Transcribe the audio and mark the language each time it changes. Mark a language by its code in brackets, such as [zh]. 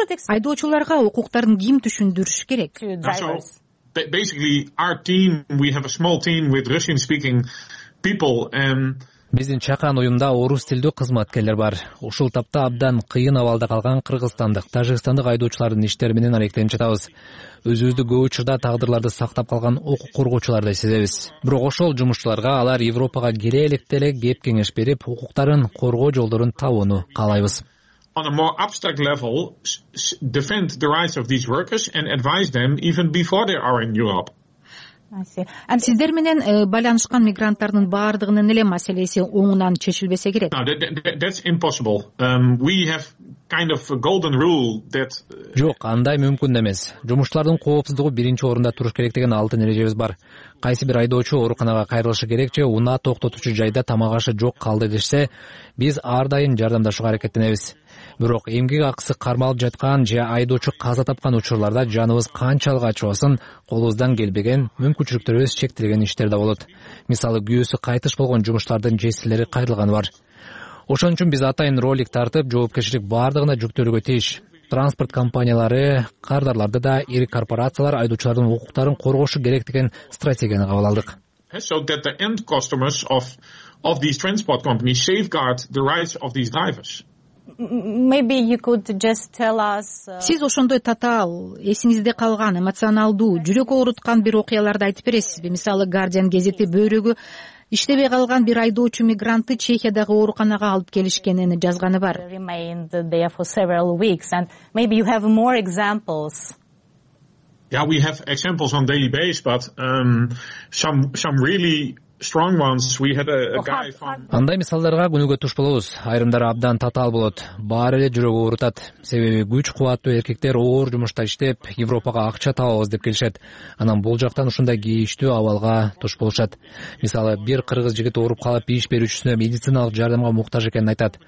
[ky] Айдоочуларга укуктарын ким түшүндүрүш керек? [en] Basically our team, we have a small team with Russian speaking people and [ky] биздин чакан уюмда орус тилдүү кызматкерлер бар. Ушул тапта абдан кыйын абалда калган кыргызстандык, тажикстандык айдоочулардын иштери менен аракеттенип жатабыз. Өзүбүздү көп учурда тагдырларды сактап калган укук коргоочулардай сезебиз. Бирок ошол жумушчуларга алар Европага кире электе эле кеп кеңеш берип, укуктарын коргоо жолдорун табууну каалайбыз. [en] On a more abstract level, defend the rights of these workers and advise them even before they are in Europe. [ky] Сиздер менен байланышкан мигранттардын баардыгынын эле маселеси оңунан чечилбесе керек? [en] That's impossible. We have kind of a golden rule that [ky] жок, андай мүмкүн эмес. Жумушчулардын коопсуздугу биринчи орунда туруш керек деген алтын эрежебиз бар. Кайсы бир айдоочу ооруканага кайрылышы керек же унаа токтотуучу жайда тамак ашы жок калды дешсе, биз ар дайым жардамдашууга аракеттенебиз. Бирок эмгек акысы кармалып жаткан же айдоочу каза тапкан учурларда жаныбыз канчалык ачыбасын, колубуздан келбеген мүмкүнчүлүктөрүбүз чектелген иштер да болот. Мисалы, күйөөсү кайтыш болгон жумушчулардын жесирлери кайрылганы бар. Ошон үчүн биз атайын ролик тартып, жоопкерчилик баардыгына жүктөлүүгө тийиш. транспорт компаниялары, кардарларды да, ири корпорациялар айдоочулардын укуктарын коргошу керек деген стратегияны кабыл алдык. [en] So that the end customers of these transport companies safeguard the rights of these drivers. Maybe you could just tell us. [ky] Сиз ошондой татаал, эсиңизде калган, эмоционалдуу, жүрөк ооруткан бир окуяларды айтып бересизби? Мисалы, Guardian гезити бөлүгү иштебей калган бир айдоочу мигрантты Чехиядагы ооруканага алып келишкенин жазганы бар. [en] Remained there for several weeks and maybe you have more examples. Yeah, we have examples on daily basis, but some really strong ones. We had a guy from [ky] Андай мисалдарга күнүгөтүш болобуз. Айрымдары абдан татаал болот. Баары эле жүрөгү оорутат. Себеби күч кубаттуу эркектер оор жумушта иштеп, Европага акча табабыз деп келишет. Анан бул жактан ушундай кийиштүү абалга туш болушат. Мисалы, бир кыргыз жигит ооруп калып, иш берүүчүсүнө медициналык жардамга муктаж экенин айтат.